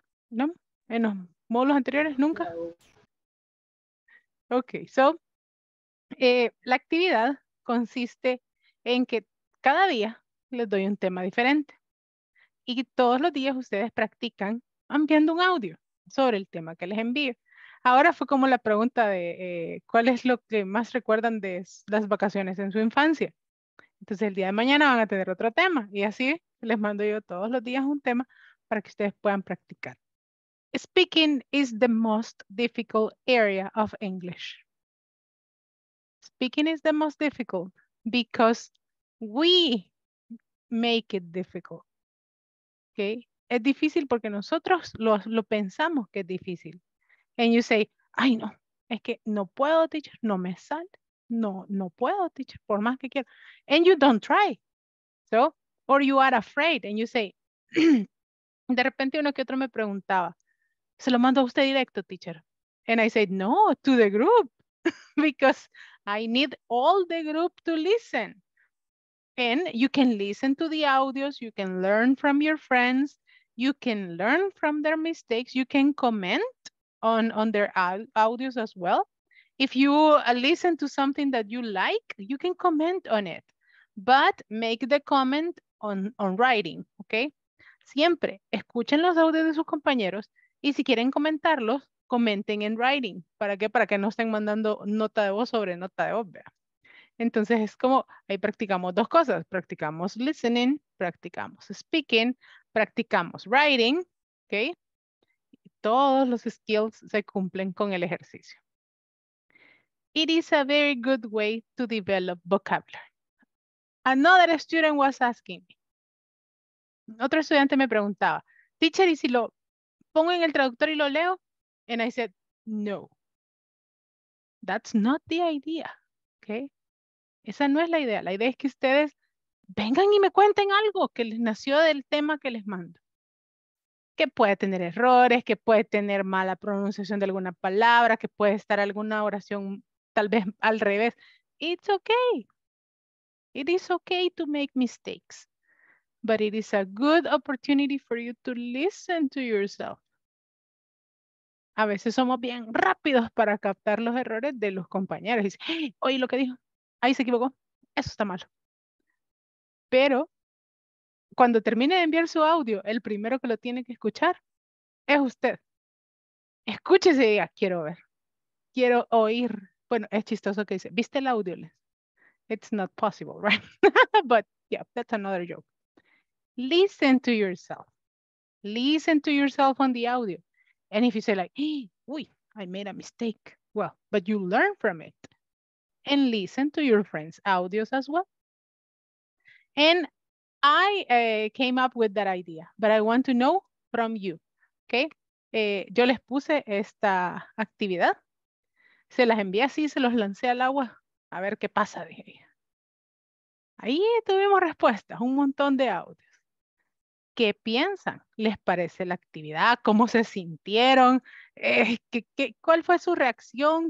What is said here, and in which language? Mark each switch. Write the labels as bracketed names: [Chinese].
[Spanish] ¿No? ¿En los módulos anteriores? ¿Nunca? [English] Ok, so, [Spanish] la actividad consiste en que cada día les doy un tema diferente y todos los días ustedes practican enviando un audio sobre el tema que les envío. Ahora fue como la pregunta de ¿cuál es lo que más recuerdan de las vacaciones en su infancia? Entonces el día de mañana van a tener otro tema y así les mando yo todos los días un tema para que ustedes puedan practicar. [English] Speaking is the most difficult area of English. Speaking is the most difficult. Because we make it difficult. Okay? [Spanish] Es difícil porque nosotros lo pensamos que es difícil. [English] And you say, [Spanish] ay no, es que no puedo, teacher, no me sale, no puedo, teacher, por más que quiera. [English] And you don't try. So, or you are afraid and you say, [Spanish] de repente uno que otro me preguntaba, se lo mando a usted directo, teacher. [English] And I said, no, to the group, because I need all the group to listen. And you can listen to the audios, you can learn from your friends, you can learn from their mistakes, you can comment on their audios as well. If you listen to something that you like, you can comment on it, but make the comment on writing, okay? [Spanish] Siempre escuchen los audios de sus compañeros y si quieren comentarlos, comenten en writing. ¿Para qué? Para que no estén mandando nota de voz sobre nota de voz, ¿verdad? Entonces es como, ahí practicamos dos cosas, practicamos listening, practicamos speaking, practicamos writing, ¿ok? Y todos los skills se cumplen con el ejercicio. [English] It is a very good way to develop vocabulary. Another student was asking me. [Spanish] Otro estudiante me preguntaba, teacher, ¿y si lo pongo en el traductor y lo leo? [English] And I said, no, that's not the idea, ¿ok? [Spanish] Esa no es la idea. La idea es que ustedes vengan y me cuenten algo que les nació del tema que les mando. Que puede tener errores, que puede tener mala pronunciación de alguna palabra, que puede estar alguna oración tal vez al revés. [English] It's okay. It is okay to make mistakes. But it is a good opportunity for you to listen to yourself. [Spanish] A veces somos bien rápidos para captar los errores de los compañeros. Hey, oye lo que dijo. Ahí se equivocó. Eso está mal. Pero cuando termine de enviar su audio, el primero que lo tiene que escuchar es usted. Escúchese y diga, quiero ver. Quiero oír. Bueno, es chistoso que dice, ¿viste el audio? [English] It's not possible, right? But yeah, that's another joke. Listen to yourself. Listen to yourself on the audio. And if you say like, uy, I made a mistake. Well, but you learn from it. And listen to your friends' audios as well. And I came up with that idea, but I want to know from you, okay? [Spanish] Yo les puse esta actividad. Se las envié así, se los lancé al agua. A ver qué pasa, dije. Ahí tuvimos respuestas, un montón de audios. ¿Qué piensan? ¿Les parece la actividad? ¿Cómo se sintieron? ¿Cuál fue su reacción?